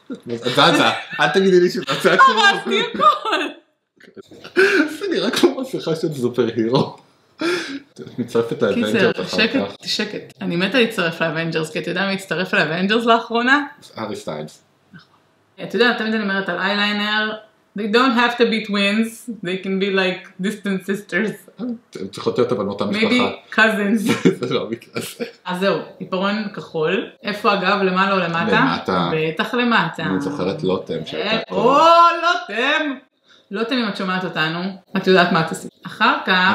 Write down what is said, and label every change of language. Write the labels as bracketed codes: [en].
[he] עזזה, אל תגידי לי שאתה עושה הכל. הרסתי הכל. זה נראה כמו מסכה של סופר הירו. מצטרף את האבנג'רס אחר כך. קיצר, שקט, שקט. אני מתה להצטרף לאבנג'רס, כי אתה יודע מי הצטרף לאבנג'רס לאחרונה? הארי סטיילס. אתה יודע, תמיד אני אומרת על אייליינר, [en] they don't have to be twins, they can be like distant sisters. [he] הם צריכות להיות אבל מאותה משפחה. [en] Maybe cousins. [he] זה לא המקרה הזה. אז זהו, עיפרון כחול. איפה אגב, למעלה או למטה? למטה. בטח למטה. אני זוכרת לוטם. או, לוטם! לוטם, אם את שומעת אותנו, את יודעת מה את עושה. אחר כך...